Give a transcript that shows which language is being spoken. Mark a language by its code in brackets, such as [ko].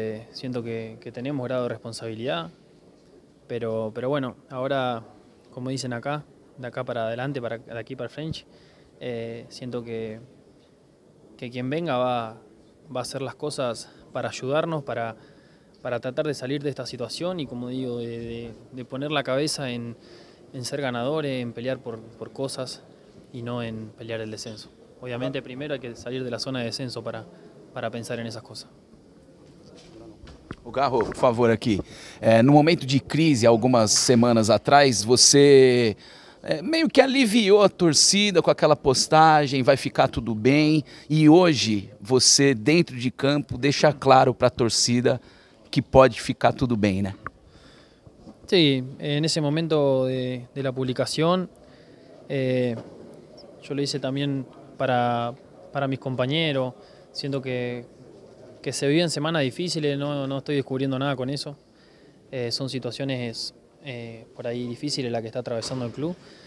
[es] Siento que tenemos grado de responsabilidad, pero bueno, ahora, como dicen acá, de acá para adelante, de aquí para el French, siento que quien venga va a hacer las cosas para ayudarnos, para tratar de salir de esta situación y, como digo, de poner la cabeza en ser ganadores, en pelear por cosas y no en pelear el descenso. Obviamente primero hay que salir de la zona de descenso para pensar en esas cosas. [pt] O Garro, por favor, aqui. No momento de crise, algumas semanas atrás, você meio que aliviou a torcida com aquela postagem, vai ficar tudo bem. E hoje você, dentro de campo, deixa claro para a torcida que pode ficar tudo bem, né? [es] Sí, en ese momento de la publicación, yo lo hice también para mis compañeros. Siento que se viven semanas difíciles, no estoy descubriendo nada con eso. Son situaciones por ahí difíciles las que está atravesando el club.